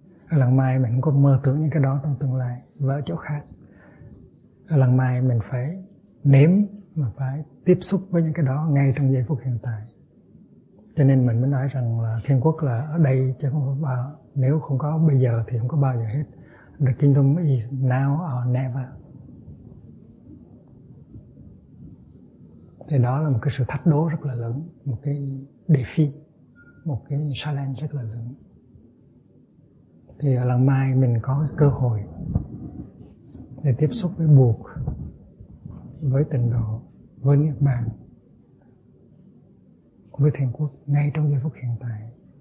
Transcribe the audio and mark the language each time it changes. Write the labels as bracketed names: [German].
[Vietnamese] Ở lần mai mình không có mơ tưởng những cái đó trong tương lai và ở chỗ khác. Ở lần mai mình phải nếm mà phải tiếp xúc với những cái đó ngay trong giây phút hiện tại. Cho nên mình mới nói rằng là thiên quốc là ở đây chứ không phải bao, nếu không có bây giờ thì không có bao giờ hết. [English] The kingdom is now or never. [Vietnamese] Thì đó là một cái sự thách đố rất là lớn, một cái đề phi, một cái challenge rất là lớn. Thì lần mai mình có cái cơ hội để tiếp xúc với Bụt, với Tịnh Độ, với Niết Bàn, với Thiền Quốc ngay trong giây phút hiện tại.